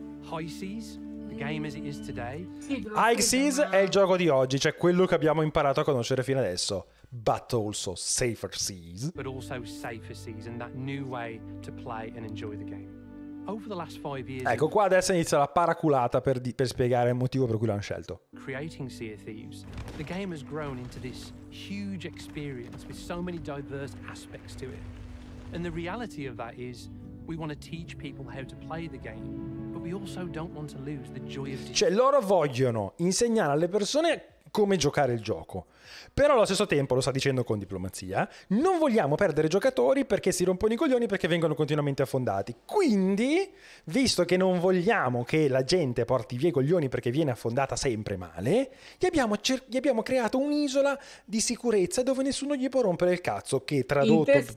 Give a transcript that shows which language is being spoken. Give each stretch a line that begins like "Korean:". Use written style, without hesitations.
English: High Seas, the game as it is today.
Italian: High Seas è il gioco di oggi, cioè quello che abbiamo imparato a conoscere fino adesso.
English: But also Safer Seas. But also Safer Seas and that new way to play and enjoy the game. Over the last five years.
Italian: Ecco qua adesso inizia la paraculata per spiegare il motivo per cui l'hanno scelto.
English: Creating Sea of Thieves, the game has grown into this huge experience with so many diverse aspects to it. And the reality of that is we want to teach people how to play the game, but we also don't want to lose the joy of it.
Italian: Cioè loro vogliono insegnare alle persone come giocare il gioco, però allo stesso tempo, lo sta dicendo con diplomazia, non vogliamo perdere giocatori perché si rompono i coglioni, perché vengono continuamente affondati. Quindi, visto che non vogliamo che la gente porti via i coglioni perché viene affondata sempre male, gli abbiamo creato un'isola di sicurezza dove nessuno gli può rompere il cazzo, che tradotto